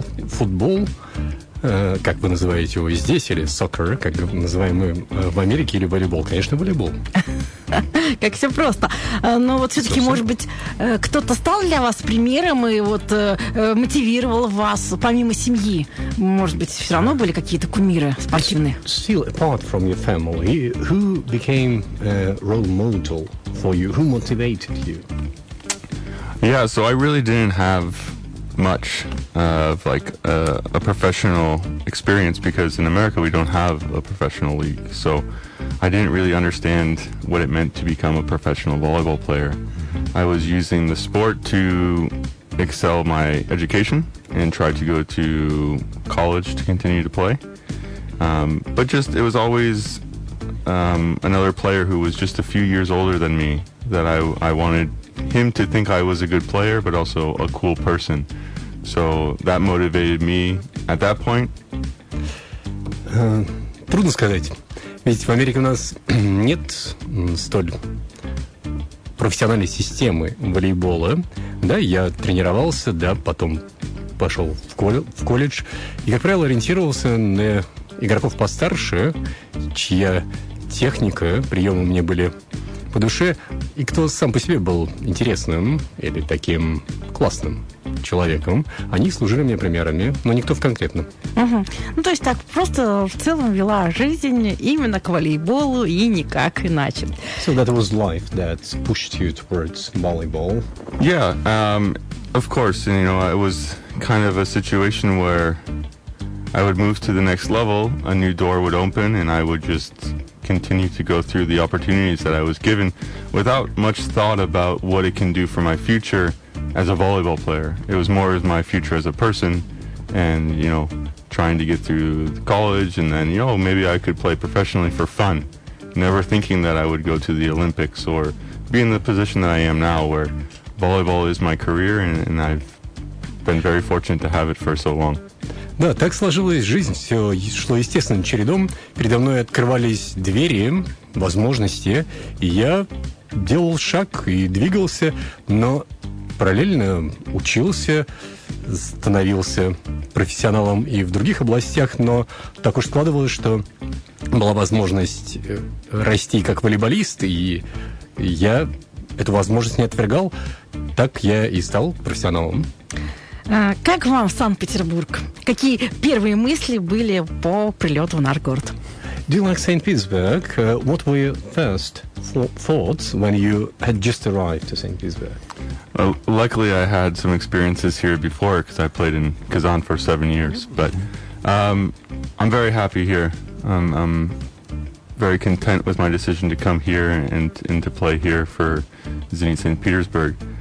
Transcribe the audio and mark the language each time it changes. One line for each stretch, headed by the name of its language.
Russian: Футбол, как вы называете его здесь, или soccer, как называем мы в Америке, или волейбол? Конечно, волейбол. Как все просто. Но вот все-таки, может быть, кто-то стал для вас примером и вот мотивировал вас, помимо семьи? Может быть, все равно были какие-то кумиры спортивные?
English: Still apart from your family, who became a role model for you? Who motivated you? Yeah, so I really didn't have much of like a professional experience, because in America we don't have a professional league, so I didn't really understand what it meant to become a professional volleyball player. I was using the sport to excel my education and try to go to college to continue to play, but just it was always another player who was just a few years older than me that I wanted him to think I was a good player but also a cool person. So that motivated me at that point.
Russian: Трудно сказать. Ведь в Америке у нас нет столь профессиональной системы волейбола. Да, я тренировался, да, потом пошел в колледж. И, как правило, ориентировался на игроков постарше, чья техника, приемы мне были по душе, и кто сам по себе был интересным или таким классным человеком, они служили мне примерами, но никто в конкретном. Ну, то есть так, просто в целом вела жизнь именно к волейболу и никак иначе.
English: So that was life that pushed you towards volleyball? Yeah, of course, you know, it was kind of a situation where I would move to the next level, a new door would open, and I would just continue to go through the opportunities that I was given without much thought about what it can do for my future as a volleyball player. It was more of my future as a person and, you know, trying to get through college and then, you know, maybe I could play professionally for fun, never thinking that I would go to the Olympics or be in the position that I am now where volleyball is my career and I've been very fortunate to have it for so long.
Russian: Да, так сложилась жизнь, все шло естественным чередом. Передо мной открывались двери, возможности, и я делал шаг и двигался, но параллельно учился, становился профессионалом и в других областях, но так уж складывалось, что была возможность расти как волейболист, и я эту возможность не отвергал, так я и стал профессионалом. Как вам Санкт-Петербург? Какие первые мысли были по прилету в наш город?
English: Do you like St. Petersburg? What were your first thoughts when you had just arrived to St. Petersburg? Well, luckily I had some experiences here before because I played in Kazan for 7 years. But I'm very happy here. I'm very content with my decision to come here and to play here for Zenit St. Petersburg.